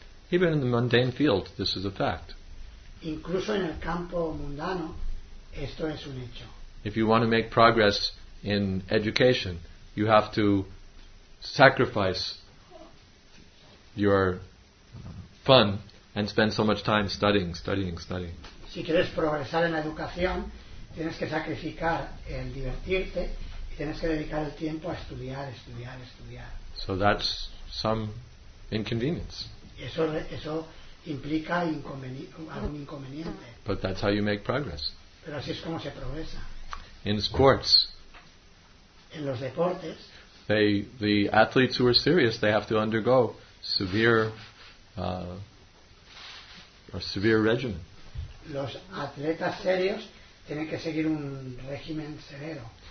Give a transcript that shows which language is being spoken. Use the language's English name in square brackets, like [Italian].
[English] Even in the mundane field, this is a fact. [Spanish] Incluso en el campo mundano, esto es un hecho. [English] If you want to make progress in education, you have to sacrifice your fun and spend so much time studying. [Spanish] Si quieres progresar en la educación, tienes que sacrificar el divertirte. Tienes que dedicar el tiempo a estudiar. [English] So that's some inconvenience. [Spanish] Eso implica algún inconveniente. [English] But that's how you make progress. [Spanish] Pero así es como se progresa. [English] In sports. [Spanish] En los deportes. [English] The athletes who are serious, they have to undergo severe regimen. [Spanish] Los atletas serios tienen que seguir un régimen severo.